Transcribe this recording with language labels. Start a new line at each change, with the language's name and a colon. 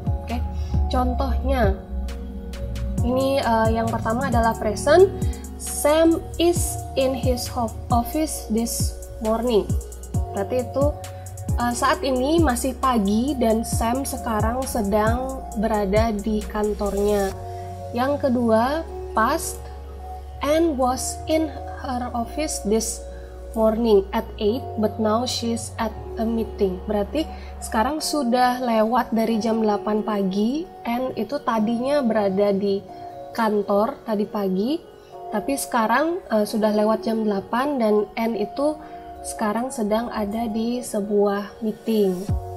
Indonesian: Oke, contohnya ini yang pertama adalah present.
English: Sam is in his office this morning.
Indonesian: Berarti itu saat ini masih pagi dan Sam sekarang sedang berada di kantornya. Yang kedua, past.
English: Anne was in her office this morning at 8, but now she's at a meeting.
Indonesian: Berarti sekarang sudah lewat dari jam 8 pagi, Anne itu tadinya berada di kantor tadi pagi, tapi sekarang sudah lewat jam 8 dan Anne itu sekarang sedang ada di sebuah meeting.